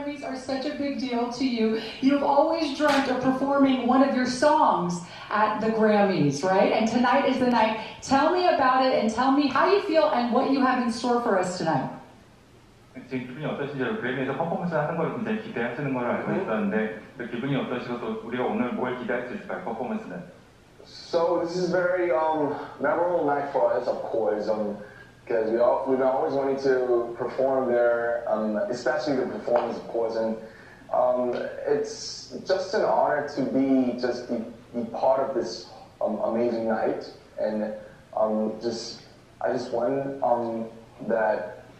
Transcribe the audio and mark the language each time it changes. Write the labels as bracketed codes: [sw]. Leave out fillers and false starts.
[en] are such a big deal to you. You've always dreamt of performing one of your songs at the Grammys, right? And tonight is the night. Tell me about it and tell me how you feel and what you have in store for us tonight. [ko] 지금 기분이 어떠신지요? 그래미에서 퍼포먼스 하는 걸 굉장히 기대하시는 걸 알고 있었는데 그 기분이 어떠시고 또 우리가 오늘 뭘 기대할 수 있을까요? 퍼포먼스는? [en] So this is very memorable night for us, of course, because we've always wanted to perform there, especially the performance, of course, and it's just an honor to be part of this amazing night, and I just want that.